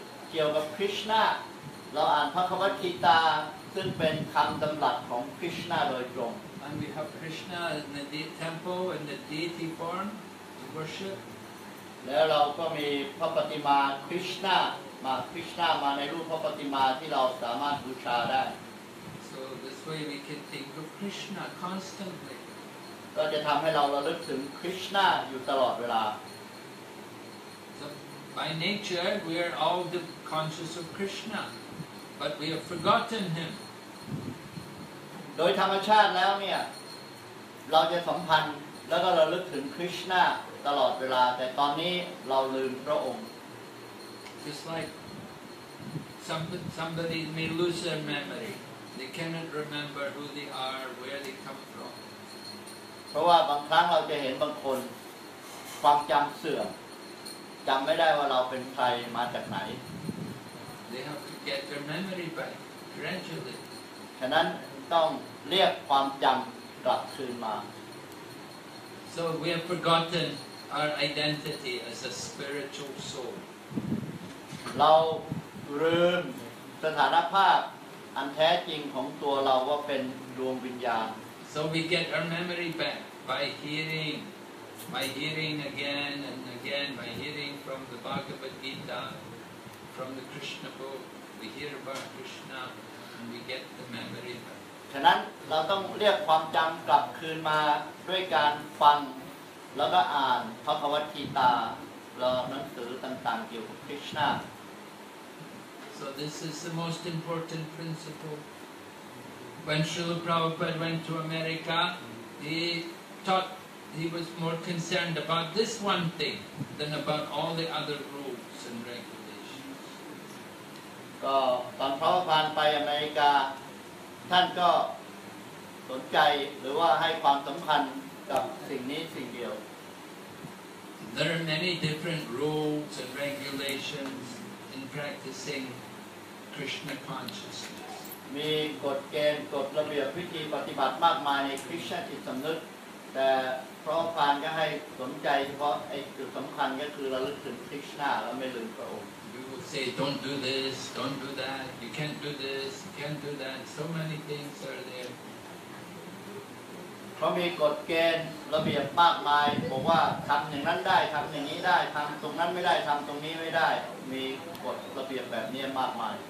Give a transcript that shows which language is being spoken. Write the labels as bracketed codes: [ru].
[th] เกี่ยวกับคริสต์นาเราอ่านพระคัมภีร์กีตาซึ่งเป็นคำตำรับของคริสต์นาโดยตรง [en] And we have Krishna in the temple in the deity form to worship [th] แล้วเราก็มีพระปฏิมาคริสต์นามาคริสต์นามาในรูปพระปฏิมาที่เราสามารถบูชาได้ [en] So this way we can think of Krishna constantly [th] ก็จะทำให้เราระลึกถึงคริสต์นาอยู่ตลอดเวลา [en] By nature, we are all the conscious of Krishna, but we have forgotten him. [th] โดยธรรมชาติแล้วเนี่ยเราจะสัมพันธ์แล้วก็เราลึกถึงคริสต์นาตลอดเวลาแต่ตอนนี้เราลืมพระองค์ [en] Just like somebody may lose their memory, they cannot remember who they are, where they come from. [th] เพราะว่าบางครั้งเราจะเห็นบางคนความจำเสื่อมจำไม่ได้ว่าเราเป็นใครมาจากไหน [en] They have to get their memory back gradually [th] ฉะนั้นต้องเรียกความจำกลับคืนมา [en] So we have forgotten our identity as a spiritual soul [th] เราลืมสถานภาพอันแท้จริงของตัวเราว่าเป็นดวงวิญญาณ [en] So we get our memory back by hearing again and again, by hearing from the Bhagavad Gita, from the Krishna book, we hear about Krishna and we get the memory back. [th] ฉะนั้นเราต้องเรียกความจำกลับคืนมาด้วยการฟังแล้วก็อ่านพระคัมภีร์กีตาหรือหนังสือต่างๆเกี่ยวกับคริสต์นา [en] So this is the most important principle. When Srila Prabhupada went to America, he taught. He was more concerned about this one thing than about all the other rules and regulations. [th] ก็ตอนพระพานไปอเมริกาท่านก็สนใจหรือว่าให้ความสำคัญกับสิ่งนี้สิ่งเดียว [en] There are many different rules and regulations in practicing Krishna consciousness. [th] มีกฎเกณฑ์กฎระเบียบวิธีปฏิบัติมากมายในคริสต์จิตสำนึกแต่พระพานก็ให้สนใจเฉพาะไอ้จุดสำคัญก็คือระลึกถึงคริสต์นาแล้วไม่ลืมพระองค์ [en] You would say don't do this don't do that you can't do this you can't do that so many things are there [th] เพราะมีกฎเกณฑ์ระเบียบมากมายบอกว่าทำอย่างนั้นได้ทำอย่างนี้ได้ทำตรงนั้นไม่ได้ทำตรงนี้ไม่ได้มีกฎระเบียบแบบนี้มากมาย